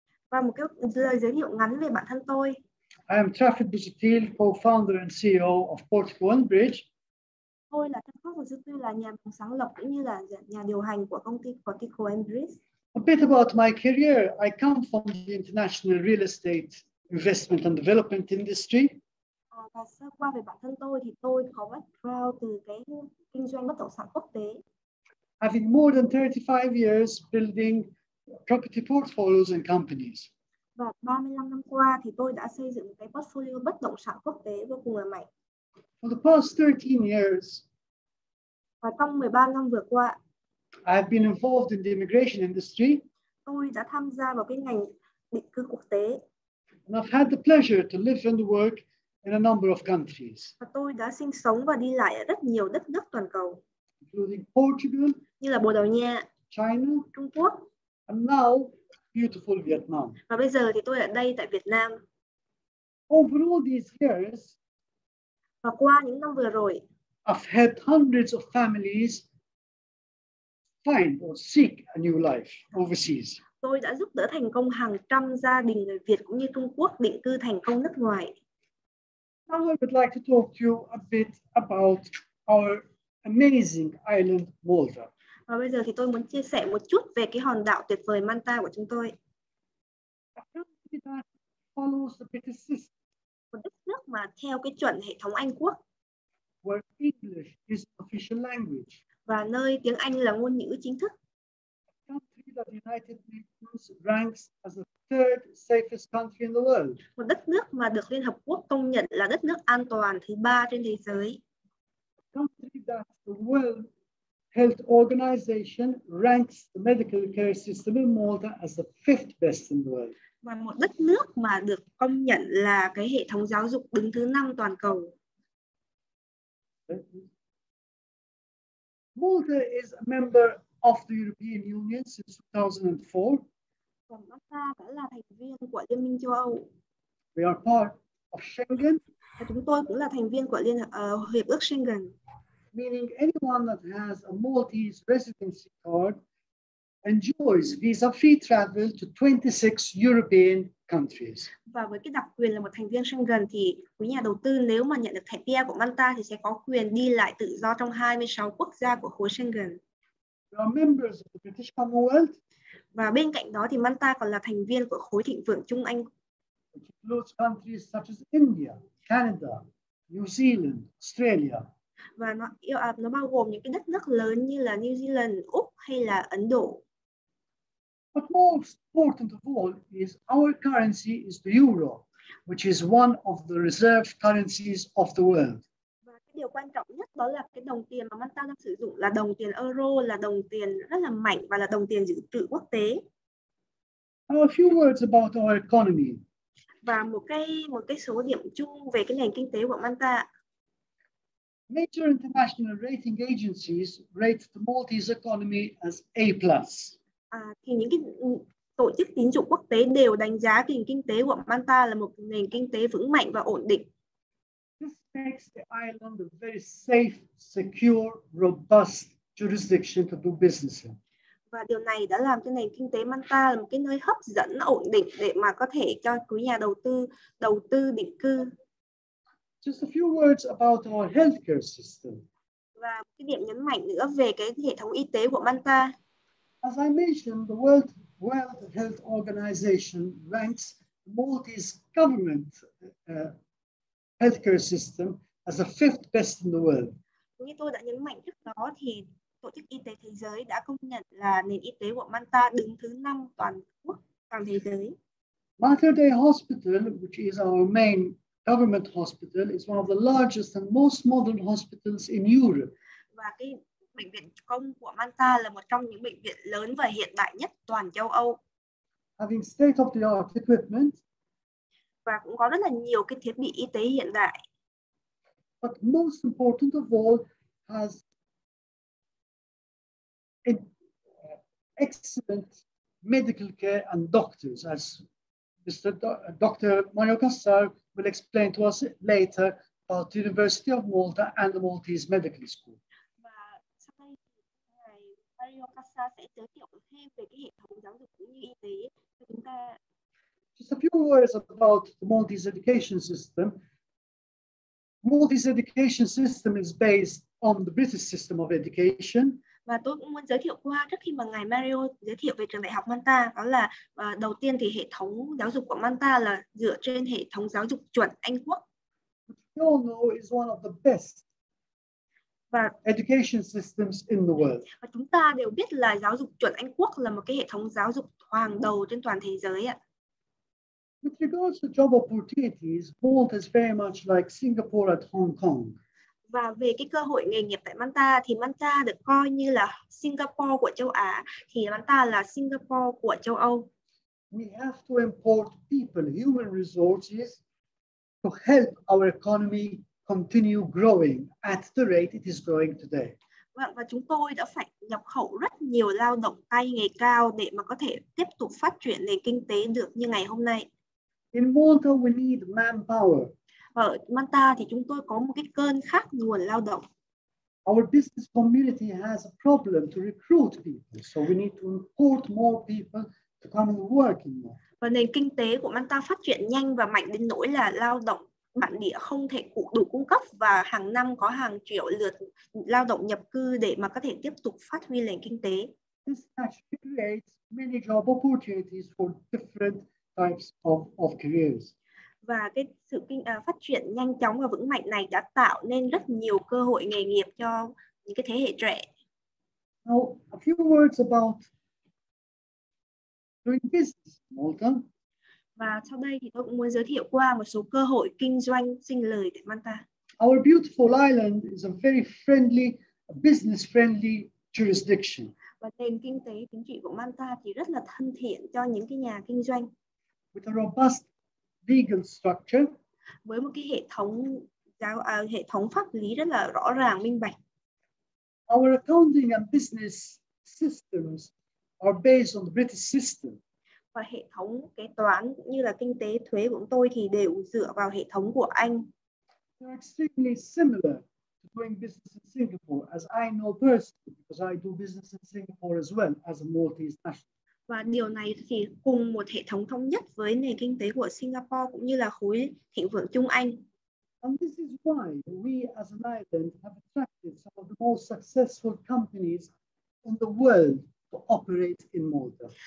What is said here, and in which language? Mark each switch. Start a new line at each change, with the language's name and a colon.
Vietnamese: Và một cái lời giới thiệu ngắn về bản thân tôi.
English: I am Trevor Positive, co-founder and CEO of Portico Bridge.
Vietnamese: Tôi là Trevor Positive, là nhà sáng lập cũng như là nhà điều hành của công ty Portico Bridge.
English: A bit about my career. I come from the international real estate investment and development industry.
Vietnamese: Và sơ qua về bản thân tôi thì tôi có background từ cái kinh doanh bất động sản quốc tế.
English: Having more than 35 years building property portfolios and companies.
Vietnamese: Và 35 năm qua thì tôi đã xây dựng cái portfolio bất động sản quốc tế vô cùng là mạnh.
English: For the past 13 years.
Vietnamese: Và trong 13 năm vừa qua.
English: I've been involved in the immigration industry.
Vietnamese: Tôi đã tham gia vào cái ngành định cư quốc tế.
English: And I've had the pleasure to live and work in a number of countries.
Vietnamese: Và tôi đã sinh sống và đi lại ở rất nhiều đất nước toàn cầu.
English: Including Portugal,
Vietnamese: như là Bồ Đào Nha,
English: China,
Vietnamese: Trung Quốc,
English: and now beautiful Vietnam.
Vietnamese: Và bây giờ thì tôi ở đây tại Việt Nam.
English: Over all these years,
Vietnamese: và qua những năm vừa rồi,
English: I've had hundreds of families find or seek a new life overseas.
Vietnamese: Tôi đã giúp đỡ thành công hàng trăm gia đình người Việt cũng như Trung Quốc định cư thành công nước ngoài.
English: Now I would like to talk to you a bit about our amazing island Malta.
Vietnamese: Và bây giờ thì tôi muốn chia sẻ một chút về cái hòn đảo tuyệt vời Malta của chúng tôi.
English: A country that follows the British system.
Vietnamese: Một đất nước mà theo cái chuẩn hệ thống Anh Quốc.
English: Where English is official language.
Vietnamese: Và nơi tiếng Anh là ngôn ngữ chính thức.
English: A country that the United Nations ranks as the third safest country in the world.
Vietnamese: Một đất nước mà được Liên Hợp Quốc công nhận là đất nước an toàn thứ ba trên thế giới.
English: A country that the World Health Organization ranks the medical care system in Malta as the fifth best in the world.
Vietnamese: Và một đất nước mà được công nhận là cái hệ thống giáo dục đứng thứ năm toàn cầu.
English: Malta is a member of the European Union since 2004.
Vietnamese: Còn Malta đã là thành viên của Liên minh châu Âu.
English: We are part of Schengen.
Vietnamese: Chúng tôi cũng là thành viên của liên hiệp ước Schengen.
English: Meaning anyone that has a Maltese residency card enjoys visa-free travel to 26 European countries.
Vietnamese: Và với cái đặc quyền là một thành viên Schengen thì quý nhà đầu tư nếu mà nhận được thẻ PR của Malta thì sẽ có quyền đi lại tự do trong 26 quốc gia của khối Schengen.
English: We are members of the British Commonwealth.
Vietnamese: Và bên cạnh đó thì Malta còn là thành viên của khối thịnh vượng Trung Anh.
English: Which includes countries such as India, Canada, New Zealand, Australia.
Vietnamese: Và nó bao gồm những cái đất nước lớn như là New Zealand, Úc hay là Ấn Độ.
English: But most important of all is our currency is the euro, which is one of the reserve currencies of the world.
Vietnamese: Và cái điều quan trọng nhất đó là cái đồng tiền mà Malta đang sử dụng là đồng tiền euro, là đồng tiền rất là mạnh và là đồng tiền dự trữ quốc tế.
English: Now a few words about our economy.
Vietnamese: Và một cái số điểm chung về cái nền kinh tế của Malta.
English: Major international rating agencies rate the Maltese economy as A+.
Vietnamese: Thì những cái tổ chức tín dụng quốc tế đều đánh giá nền kinh tế của Malta là một nền kinh tế vững mạnh và ổn định.
English: This makes the island a very safe, secure, robust jurisdiction to do business in.
Vietnamese: Và điều này đã làm cho nền kinh tế Malta là một cái nơi hấp dẫn, ổn định để mà có thể cho quý nhà đầu tư định cư.
English: Just a few words about our healthcare system.
Vietnamese: Và một cái điểm nhấn mạnh nữa về cái hệ thống y tế của Malta.
English: As I mentioned, the World Health Organization ranks the Maltese government healthcare system as the fifth best in the world.
Vietnamese: Như tôi đã nhấn mạnh trước đó thì Tổ chức Y tế Thế giới đã công nhận là nền y tế của Malta đứng thứ 5 toàn quốc, toàn thế giới.
English: Malta Day Hospital, which is our main government hospital, is one of the largest and most modern hospitals in Europe.
Vietnamese: Và cái bệnh viện công của Malta là một trong những bệnh viện lớn và hiện đại nhất toàn châu Âu.
English: Having state-of-the-art equipment.
Vietnamese: Và cũng có rất là nhiều cái thiết bị y tế hiện đại.
English: But most important of all has excellent medical care and doctors, as Mr. Dr. Mario Kassar will explain to us later about the University of Malta and the Maltese Medical School.
Vietnamese: Và sau đây thì Mario Kassar sẽ giới thiệu thêm về cái hệ thống giáo dục cũng như y tế cho chúng ta.
English: Just a few words about the Maltese education system. Maltese education system is based on the British system of education.
Vietnamese: Và tôi cũng muốn giới thiệu qua trước khi mà ngài Mario giới thiệu về trường đại học Malta, đó là đầu tiên thì hệ thống giáo dục của Malta là dựa trên hệ thống giáo dục chuẩn Anh Quốc.
English: You all know is one of the best education systems in the world.
Vietnamese: Và chúng ta đều biết là giáo dục chuẩn Anh Quốc là một cái hệ thống giáo dục hàng đầu trên toàn thế giới ạ.
English: With regards to job opportunities, Malta is very much like Singapore at Hong Kong.
Vietnamese: Và về cái cơ hội nghề nghiệp tại Malta thì Malta được coi như là Singapore của châu Á, thì Malta là Singapore của châu Âu.
English: We have to import people, human resources to help our economy continue growing at the rate it is growing today.
Vietnamese: Và chúng tôi đã phải nhập khẩu rất nhiều lao động tay nghề cao để mà có thể tiếp tục phát triển nền kinh tế được như ngày hôm nay.
English: In Malta we need manpower.
Vietnamese: Ở Malta thì chúng tôi có một cái cơn khát nguồn lao động.
English: Our business community has a problem to recruit people, so we need to import more people to come and work in Malta.
Vietnamese: Và nền kinh tế của Malta phát triển nhanh và mạnh đến nỗi là lao động bản địa không thể đủ cung cấp và hàng năm có hàng triệu lượt lao động nhập cư để mà có thể tiếp tục phát huy nền kinh tế.
English: This actually creates many job opportunities for different types of careers.
Vietnamese: Và cái sự phát triển nhanh chóng và vững mạnh này đã tạo nên rất nhiều cơ hội nghề nghiệp cho những cái thế hệ trẻ.
English: Now, a few words about doing business in Malta.
Vietnamese: Và sau đây thì tôi cũng muốn giới thiệu qua một số cơ hội kinh doanh sinh lời tại Malta.
English: Our beautiful island is a very friendly, business-friendly jurisdiction.
Vietnamese: Và nền kinh tế chính trị của Malta thì rất là thân thiện cho những cái nhà kinh doanh.
English: With a robust legal structure.
Vietnamese: Với một cái hệ thống pháp lý rất là rõ ràng, minh bạch.
English: Our accounting and business systems are based on the British system.
Vietnamese: Và hệ thống kế toán cũng như là kinh tế thuế của tôi thì đều dựa vào hệ thống của Anh.
English: They're extremely similar to doing business in Singapore, as I know personally, because I do business in Singapore as well as a Maltese national.
Vietnamese: Và điều này thì cùng một hệ thống thống nhất với nền kinh tế của Singapore cũng như là khối thịnh vượng Trung Anh.
English: And this is why we as an island have attracted some of the most successful companies in the world to operate in Malta.